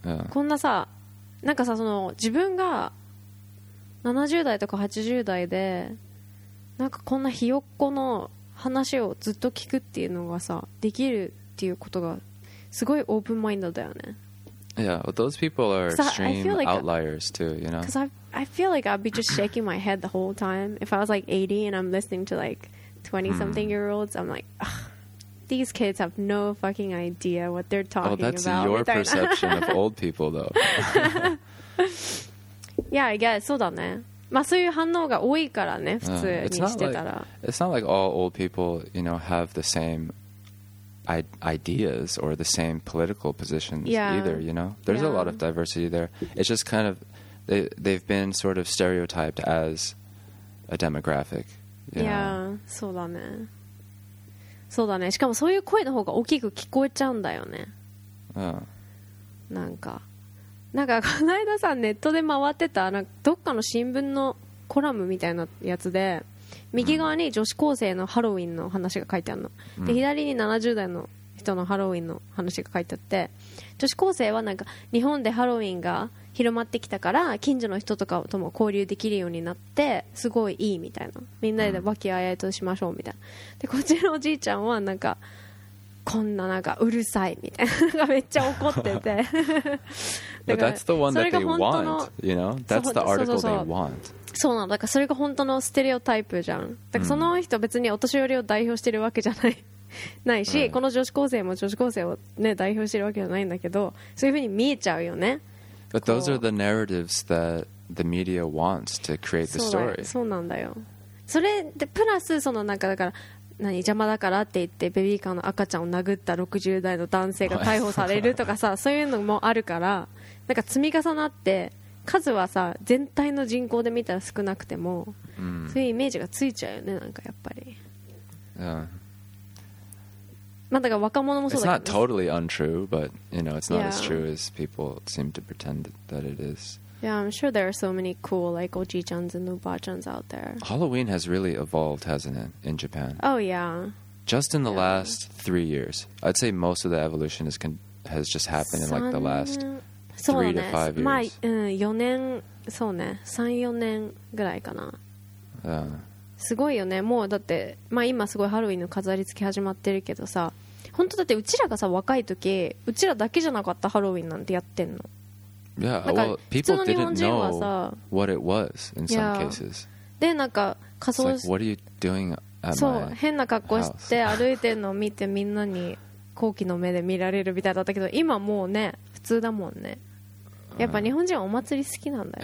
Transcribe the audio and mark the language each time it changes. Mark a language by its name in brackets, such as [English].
[Japanese] こんなさ、なんかさ、その自分が70代とか80代でなんかこんなひよっこの話をずっと聞くっていうのがさできるっていうことがすごいオープンマインドだよね。 [English] Yeah, well, those people are extreme like outliers too, you know? Because I feel like I'd be just shaking my head the whole time. If I was like 80 and I'm listening to like 20-something-year-olds, I'm like, ugh, these kids have no fucking idea what they're talking about. Oh, that's about your perception of old people, though. Yeah, I guess. [Japanese] そうだね。まあ、そういう反応が多いからね、普通にしてたら。 [English] It's not like all old people, you know, have the same ideas or the same political positions either, you know? There's a lot of diversity there. It's just kind of, they've been sort of stereotyped as a demographic. [Japanese] Yeah, そうだね。そうだね。しかもそういう声の方が大きく聞こえちゃうんだよね。うん。なんかこの間さ、ネットで回ってたなんかどっかの新聞のコラムみたいなやつで、右側に女子高生のハロウィンの話が書いてあるの、で左に70代の人のハロウィンの話が書いてあって、女子高生はなんか日本でハロウィンが広まってきたから近所の人とかとも交流できるようになってすごいいいみたいな、みんなで和気あいあいとしましょうみたいな、でこちらのおじいちゃんはなんかこんななんかうるさいみたいなのがめっちゃ怒ってて [English] だから、But that's the one that they want, you know? That's the article they want. [Japanese] そうなんだ。だからそれが本当のステレオタイプじゃん。だからその人別にお年寄りを代表してるわけじゃない、ないし、right. この女子高生も女子高生を、ね、代表してるわけじゃないんだけど、そういう風に見えちゃうよね。 [English] But those are the narratives that the media wants to create the story. [Japanese] そうなんだよ。それでプラスそのなんかだから何邪魔だからって言ってベビーカーの赤ちゃんを殴った60代の男性が逮捕されるとかさそういうのもあるから、なんか積み重なって、数はさ全体の人口で見たら少なくても、うん、そういうイメージがついちゃうよね、なんかやっぱり、まあだから若者もそうだけど、 [English] ね、It's not totally untrue, but you know, it's not as true as people seem to pretend that it is. Yeah, I'm sure there are so many cool like ojiichans and ubaachans out there. Halloween has really evolved, hasn't it, in Japan? Oh yeah. Just in the last 3 years, I'd say most of the evolution has just happened in like the last 3 to 5 years. [Japanese] まあ、うん、4年、そうね、3、4年ぐらいかな。すごいよね。もうだって、まあ今すごいハロウィンの飾り付け始まってるけどさ、本当だってうちらがさ若い時、うちらだけじゃなかったハロウィンなんてやってんの。 [English] Yeah, well, people didn't know what it was in some cases. [Japanese] で、なんか仮装 [English] して、What are you doing at my house? [Japanese] そう、変な格好して歩いてるのを見てみんなに好奇の目で見られるみたいだったけど、今もうね、普通だもんね。やっぱ日本人はお祭り好きなんだよ。